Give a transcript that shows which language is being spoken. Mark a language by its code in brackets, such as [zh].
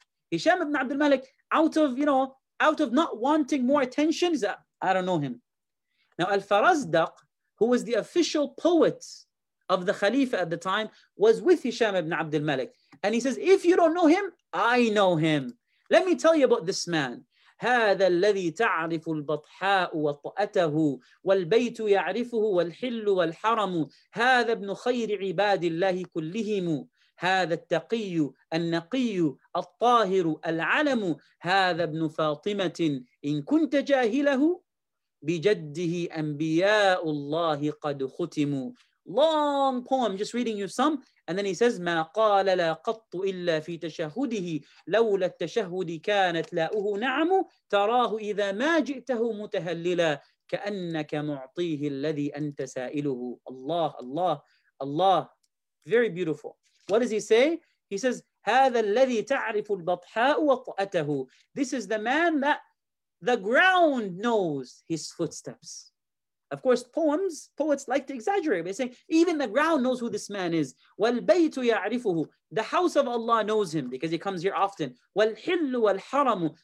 [en] Hisham ibn Abd al-Malik, out of not wanting more attention, he said, I don't know him. Now Al-Farazdaq, who was the official poet of the Khalifa at the time, was with Hisham ibn Abd al-Malik. And he says, if you don't know him, I know him. Let me tell you about this man. [ar] هذا الذي تعرف البطحاء وطأته والبيت يعرفه والحل والحرم هذا ابن خير عباد الله كلهم هذا التقي النقي الطاهر العلم هذا ابن فاطمة إن كنت جاهله بجده أنبياء الله قد ختموا. [en] Long poem, just reading you some. And then he says, [ar] مَا قَالَ لَا قَطُّ إِلَّا فِي تَشَهُدِهِ لَوْلَا التَّشَهُدِ كَانَتْ لَاؤُهُ نَعْمُ تَرَاهُ إِذَا مَا جِئْتَهُ مُتَهَلِّلًا كَأَنَّكَ مُعْطِيهِ الَّذِي أَنْتَ سَائِلُهُ. [en] Allah, Allah, Allah. Very beautiful. What does he say? He says, [ar] هَذَا الَّذِي تَعْرِفُ الْبَطْحَاءُ وَطْأَتَهُ. [en] This is the man that the ground knows his footsteps. Of course, poets like to exaggerate by saying, even the ground knows who this man is. [ar] وَالْبَيْتُ يَعْرِفُهُ. [en] The house of Allah knows him because he comes here often. [ar] وَالْحِلُّ وَالْحَرَمُ.